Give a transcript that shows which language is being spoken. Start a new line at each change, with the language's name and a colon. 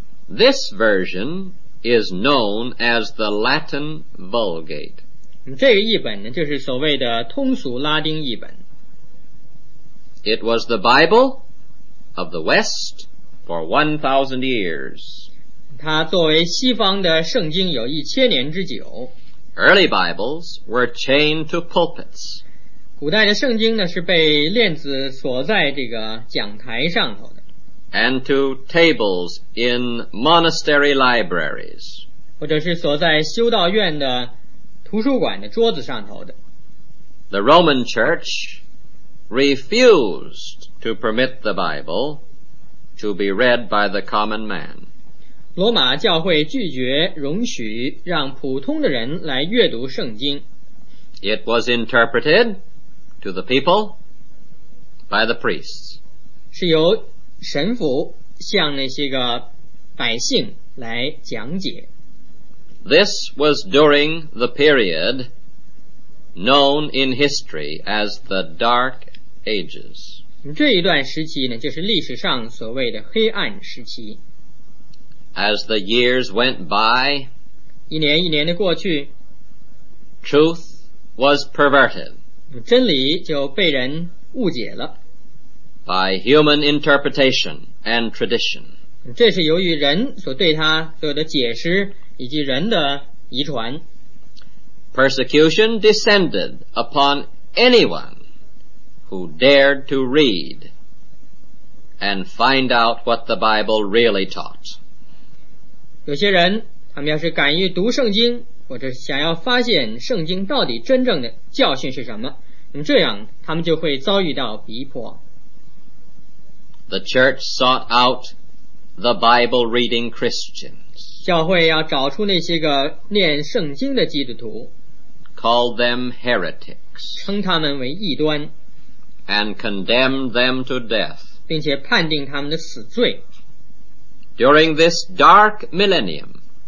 English: This version is known as the Latin Vulgate.
Chinese: 这个译本呢就是所谓的通俗拉丁译本。
English: It was the Bible of the West for 1,000 years.
Chinese: 它作为西方的圣经有一千年之久。
English: Early Bibles were chained to pulpits.
Chinese: 古代的圣经呢是被链子锁在这个讲台上头的。
English: And to tables in monastery libraries.
Chinese: 或者是锁在修道院的图书馆的桌子上头的。
English: The Roman Church refused to permit the Bible to be read by the common man.
Chinese: 罗马教会拒绝容许让普通的人来阅读圣经。
English: It was interpreted to the people by the priests.
Chinese: 是由神父向那些个百姓来讲解。
English: This was during the period known in history as the Dark Ages.
Chinese: 这一段时期呢，就是历史上所谓的黑暗时期。
English: As the years went by,
Chinese: 一年一年的过去，
English: truth was perverted.
Chinese: 真理就被人误解了。
English: By human interpretation and tradition.
Chinese: 这是由于人所对他所有的解释以及人的遗传。
English: Persecution descended upon anyone who dared to read and find out what the Bible really taught.
Chinese: 有些人他们要是敢于读圣经，或者想要发现圣经到底真正的教训是什么，这样他们就会遭遇到逼迫。
English: The church sought out the Bible reading Christians.
Chinese: 教会要找出那些个念圣经的基督徒，
English: called them heretics.
Chinese: 称他们为异端。
English: And condemned them to death.
Chinese: 并且判定他们的死罪。
English: During this dark millennium,